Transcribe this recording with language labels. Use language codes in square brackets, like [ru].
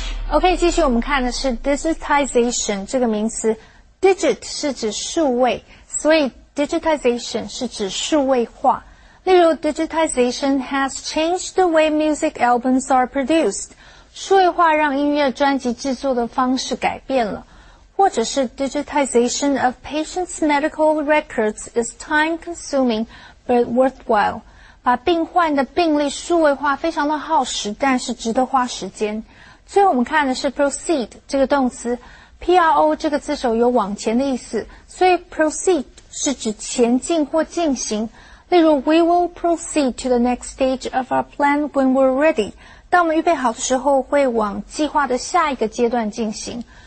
[zh] Okay, 继续我们看的是 digitization 这个名词。 Digit 是指数位，所以 digitization 是指数位化。例如 [en] digitization has changed the way music albums are produced. [zh] 数位化让音乐专辑制作的方式改变了。或者是 [en] digitization of patients' medical records is time-consuming but worthwhile. [zh] 把病患的病历数位化非常的耗时但是值得花时间。最后我们看的是 proceed 这个动词。PRO 这个字首有往前的意思所以 proceed 是指前进或进行。例如 [en] we will proceed to the next stage of our plan when we're ready. [zh] 当我们预备好的时候会往计划的下一个阶段进行。